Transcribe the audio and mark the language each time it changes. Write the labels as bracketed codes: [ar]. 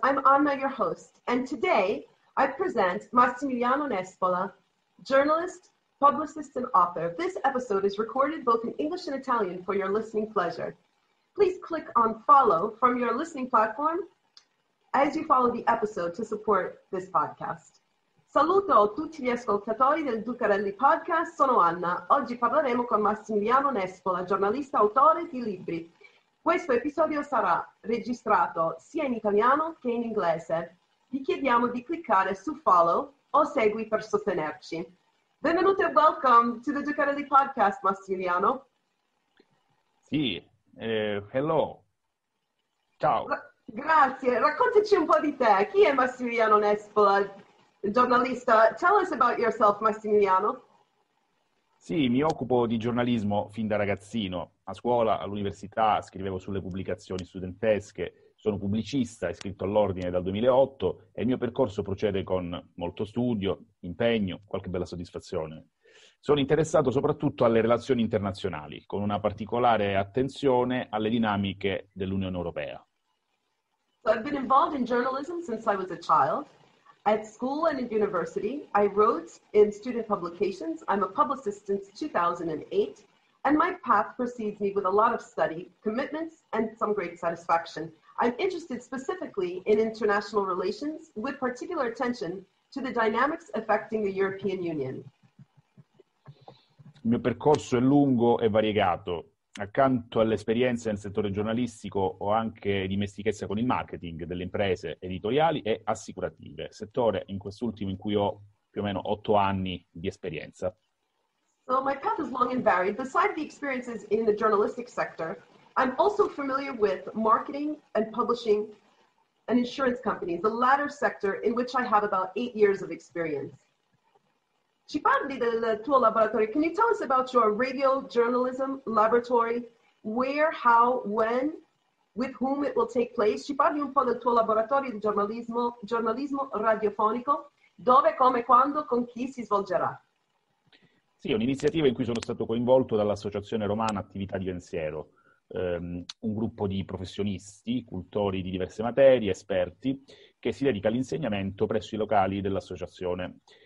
[en] I'm Anna, your host, and today I present Massimiliano Nespola, journalist, publicist, and author. This episode is recorded both in English and Italian for your listening pleasure. Please click on follow from your listening platform as you follow the episode to support this podcast. [it] Saluto tutti gli ascoltatori del Giucarelli podcast. Sono Anna. Oggi parleremo con Massimiliano Nespola, giornalista, autore di libri. Questo episodio sarà registrato sia in italiano che in inglese. Vi chiediamo di cliccare su follow o segui per sostenerci. Benvenuto e [en] welcome to the Giucarelli podcast, Massimiliano. [it] Sì, hello. Ciao. Grazie. Raccontaci un po' di te. Chi è Massimiliano Nespola, giornalista? [en] Tell us about yourself, Massimiliano. [it] Sì, mi occupo di giornalismo fin da ragazzino. A scuola, all'università, scrivevo sulle pubblicazioni studentesche. Sono pubblicista, iscritto all'Ordine dal 2008 e il mio percorso procede con molto studio, impegno, qualche bella soddisfazione. Sono interessato soprattutto alle relazioni internazionali, con una particolare attenzione alle dinamiche dell'Unione Europea. [en] So I've been involved in journalism since I was a child. At school and at university, I wrote in student publications. I'm a publicist since 2008, and my path precedes me with a lot of study, commitments, and some great satisfaction. I'm interested specifically in international relations, with particular attention to the dynamics affecting the European Union. [it] Il mio percorso è lungo e variegato. Accanto all'esperienza nel settore giornalistico ho anche dimestichezza con il marketing delle imprese editoriali e assicurative, settore in quest'ultimo in cui ho più o meno 8 anni di esperienza. [en] So my path is long and varied. Besides the experiences in the journalistic sector, I'm also familiar with marketing and publishing and insurance companies, the latter sector in which I have about 8 years of experience. [it] Ci parli del tuo laboratorio. [en] Can you tell us about your radio journalism laboratory? Where, how, when, with whom it will take place? [it] Ci parli un po' del tuo laboratorio di giornalismo radiofonico? Dove, come, quando, con chi si svolgerà? Sì, è un'iniziativa in cui sono stato coinvolto dall'Associazione Romana Attività di Pensiero, un gruppo di professionisti, cultori di diverse materie, esperti, che si dedica all'insegnamento presso i locali dell'associazione.